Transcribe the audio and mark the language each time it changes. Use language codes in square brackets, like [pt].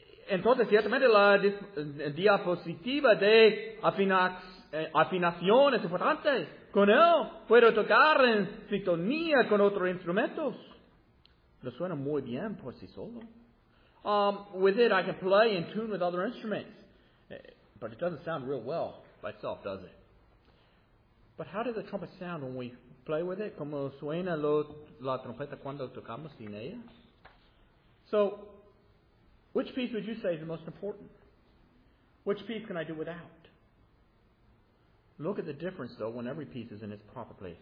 [es] Entonces, ciertamente, la diapositiva de afinación es importante. Con él, puedo tocar en sintonía con otros instrumentos. Pero suena muy bien por sí solo. [en] With it, I can play in tune with other instruments. But it doesn't sound real well by itself, does it? But how does the trumpet sound when we play with it? [es] ¿Cómo suena la trompeta cuando tocamos sin ella? [en] So, which piece would you say is the most important? Which piece can I do without? Look at the difference, though, when every piece is in its proper place.